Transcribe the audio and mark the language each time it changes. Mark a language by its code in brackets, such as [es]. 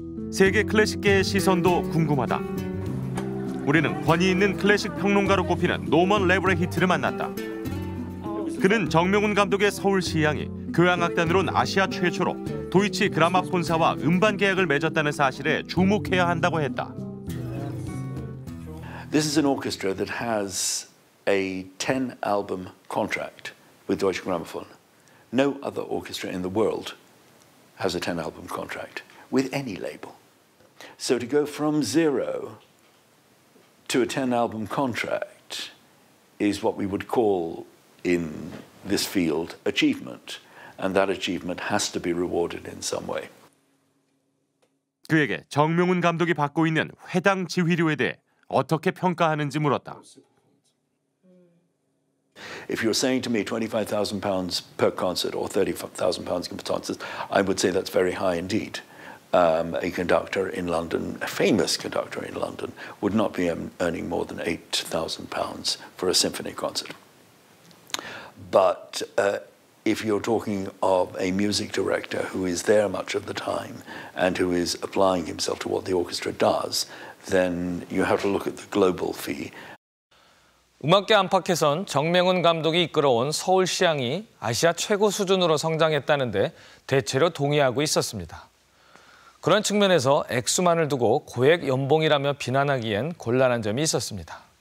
[ko] 세계 클래식계의 시선도 궁금하다. 우리는 권위 있는 클래식 평론가로 꼽히는 노먼 레브레히트를 만났다. 그는 정명훈 감독의 서울시향이 교향악단으론 아시아 최초로 도이치 그라마폰사와 음반 계약을 맺었다는 사실에 주목해야 한다고 했다. [en] This is an orchestra that has a 10 album contract with Deutsche Grammophon. No other orchestra in the world has a 10 album contract with any label. So to go from zero to a 10 album contract is what we would call in this field achievement, and that achievement has to be rewarded in some way. [ko] 그에게 정명훈 감독이 받고 있는 회당 지휘료에 대해 어떻게 평가하는지 물었다. [en] If you're saying to me £25,000 per concert or £30,000 per concert, I would say that's very high indeed. A conductor in London, a famous conductor in London, would not be earning more than £8,000 for a symphony concert. But if you're talking of a music director who is there much of the time and who is applying himself to what the orchestra does, then you have to look at the global fee. [ko] 음악계 안팎에선 정명훈 감독이 이끌어온 서울시향이 아시아 최고 수준으로 성장했다는데 대체로 동의하고 있었습니다. 그런 측면에서 액수만을 두고 고액 연봉이라며 비난하기엔 곤란한 점이 있었습니다.